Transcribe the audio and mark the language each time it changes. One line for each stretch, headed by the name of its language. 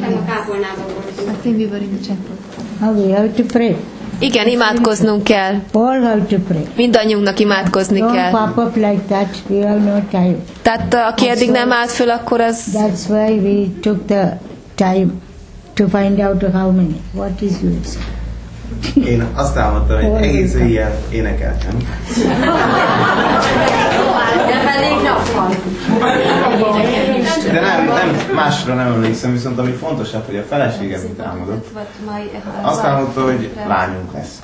Hungarian: Szerintem a kápolnában voltunk.
English: I think we were in the chapel. How we have to pray.
Hungarian: Igen, imádkoznunk kell.
English: All have to pray.
Hungarian: Mindannyiunknak imádkozni kell.
English: Don't pop up like that. We have no time.
Hungarian: Tehát aki eddig nem állt föl, akkor az...
English: That's why we took the time to find out how many. What is yours?
Hungarian: Én azt álmodtam, hogy egész éjjel énekeltem. De nem, másra nem emlékszem, viszont ami fontosabb, hogy a feleségem mit álmodott. Azt álmodta, hogy lányunk lesz.